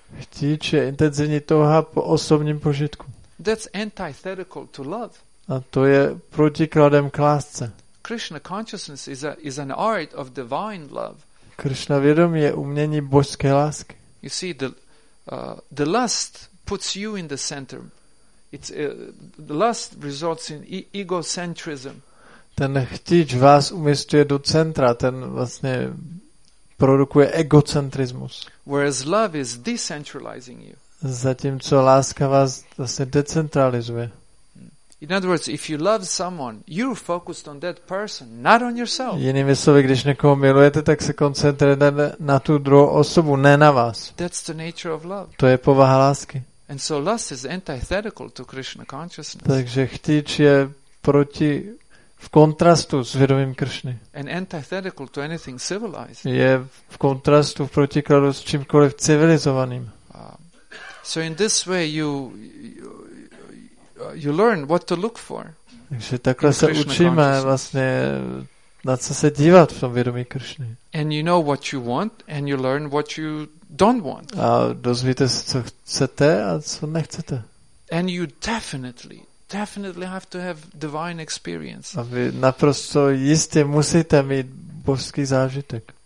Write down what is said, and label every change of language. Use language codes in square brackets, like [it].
[cs] Chtíč je intenzivní touha po osobním požitku. [en] That's antithetical to love. [cs] A to je protikladem k lásce. [en] Krishna consciousness is an art of divine love. [cs] Krishna vědomí je umění božské lásky. [en] You see, the lust puts you in the center. It's the lust results in egocentrism. [cs] Ten chtíč vás umístuje do centra, ten vlastně produkuje egocentrismus. [en] Whereas love is decentralizing you. [cs] Zatímco láska vás vlastně decentralizuje. [en] In other words, if you love someone, you're focused on that person, not on yourself. [cs] Jinými slovy, když někoho milujete, tak se koncentrujete na tu druhou osobu, ne na vás. [en] That's the nature of love. [cs] To je povaha lásky. [en] And so lust is antithetical to Krishna consciousness. [cs] Takže chtíč je proti v kontrastu s vědomím Kršny. [en] And antithetical to anything civilized. [cs] Je v kontrastu v protikladu s čímkoliv civilizovaným. [en] So in this way you learn what to look for. [cs] Takže takhle se učíme vlastně na co se dívat v tom vědomí Kršny. [en] And you know what you want and you learn what you don't want. [cs] A dozvíte se, co chcete a co nechcete. [en] And you definitely have to have divine experience. [cs] A vy naprosto jistě musíte mít božský zážitek.